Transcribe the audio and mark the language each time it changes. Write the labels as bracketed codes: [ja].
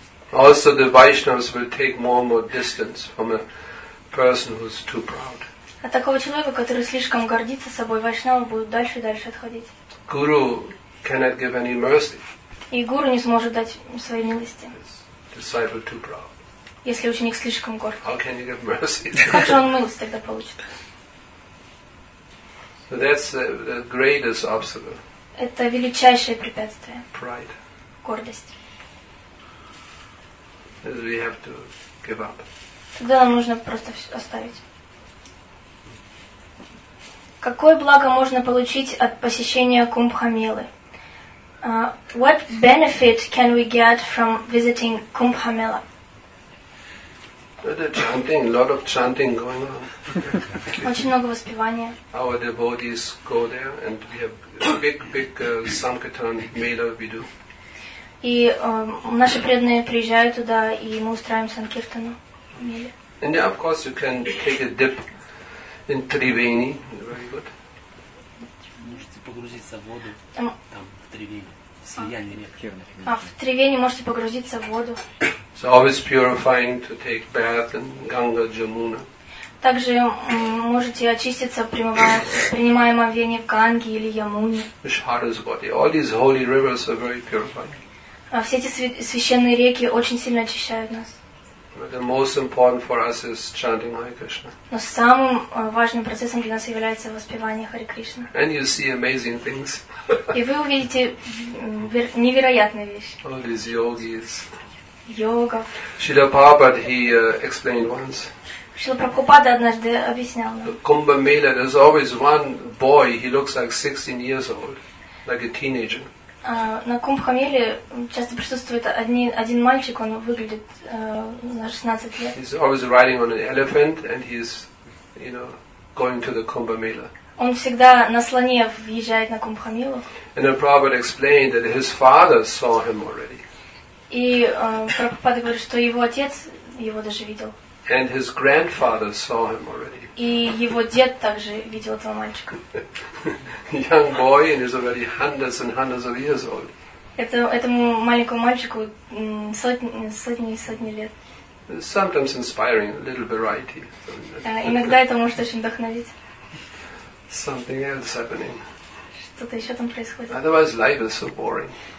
[en] Also, the Vaishnavas will take more and more distance from a person who is too proud. [ru] От такого человека, который слишком гордится собой, вайшнавы будут дальше и дальше отходить. [en] Guru cannot give any mercy. [ru] И гуру не сможет дать своей милости. [en] Disciple too proud. [ru] Если ученик слишком горд. [en] How can he give mercy? [ru] Как же он милость тогда получит? [en] So that's the greatest obstacle. [ru] Это величайшее препятствие. [en] Pride. [ru] Гордость. [en] We have to give up. [ru] Тогда нам нужно просто все оставить. Какое благо можно получить от посещения Кумбхамелы? [en] What benefit can we get from visiting Кумбхамела? The chanting, a lot of chanting going on. [ru] Очень много воспевания. [en] Our devotees go there, and we have big Sankirtan Mela we do. [ru] И наши преданные приезжают туда, и мы устраиваем Санкиртану. [en] And yeah, of course, you can take a dip in Triveni. Very good. [ru] Можете погрузиться в воду там в Тривени. Слияние рек. В Тривени можете погрузиться в воду. [en] It's always purifying to take bath in Ganga, Jamuna. [ru] Также можете очиститься, принимая омовение в Ганге или Ямуне. [en] Vishwaraswati. All these holy rivers are very purifying. [ru] Все эти священные реки очень сильно очищают нас. [en] The most important for us is chanting Hare Krishna. [ru] Но самым важным процессом для нас является воспевание Хари Кришна. [en] And you see amazing things. [ru] И вы увидите невероятные вещи. [en] All these yogis. [ru] Йога. [en] Srila Prabhupada, he explained once. [ru] Шрила Прабхупада однажды объяснял нам. [en] Kumbh Mela, there's always one boy, he looks like 16 years old, like a teenager. [ru] На Кумбхамеле часто присутствует один мальчик, он выглядит на 16 лет. [en] He's always riding on an elephant and he's, you know, going to the Kumbh Mela. [ru] Он всегда на слоне въезжает на Кумбхамелу. [en] And then Prabhupada explained that his father saw him already. [ru] И Прабхупада говорит, что его отец его даже видел. [en] And his grandfather saw him already. [ru] И его дед также видел этого мальчика. [en] Young boy, and he's already hundreds and hundreds of years old. [ru] Этому маленькому мальчику сотни лет. [en] Sometimes inspiring, a little variety. [ru] Иногда это может очень вдохновить. [en] Something else happening. [ru] Что-то еще там происходит. [en] Otherwise, life is so boring.